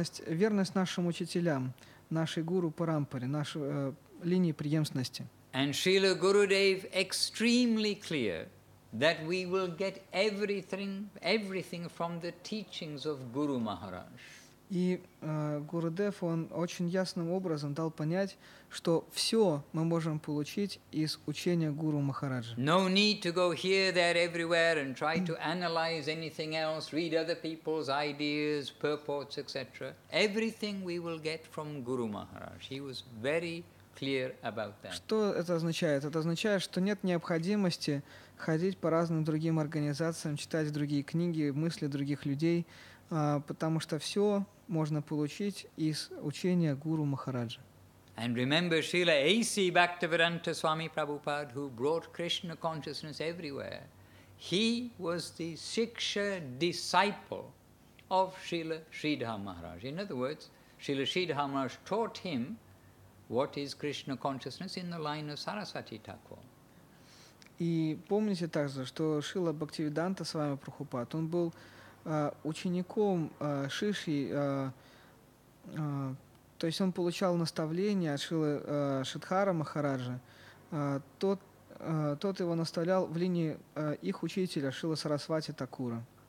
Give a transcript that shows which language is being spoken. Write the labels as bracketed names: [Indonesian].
[Russian] Верность нашим учителям, нашей гуру парампаре, нашей линии преемственности. [English] And Srila Gurudev extremely clear that we will get everything from the teachings of Guru Maharaj. [Russian] И Гурудев, он очень ясным образом дал понять, что все мы можем получить из учения Гуру Махараджа. [English] No need to go here, there, everywhere and try to analyze anything else, read other people's ideas, purports, etc. Everything we will get from Guru Maharaj. He was very clear about that. [Russian] Что это означает? Это означает, что нет необходимости ходить по разным другим организациям, читать другие книги, мысли других людей, потому что все можно получить из учения Гуру Махараджа. [English] And remember Srila A.C. Bhaktivedanta Swami Prabhupada, who brought Krishna consciousness everywhere. He was the Shiksha disciple of Srila Sridhar Maharaj. In other words, Srila Sridhar Maharaj taught him what is Krishna consciousness in the line of Sarasvati Thakur. [Russian] И помните также, что Шрила Бхактивиданта Свами Прабхупад, он был учеником Шиши, то есть он получал наставление от Шрилы Шридхара Махараджа. Тот его наставлял в линии их учителя Шрилы Сарасвати Такура.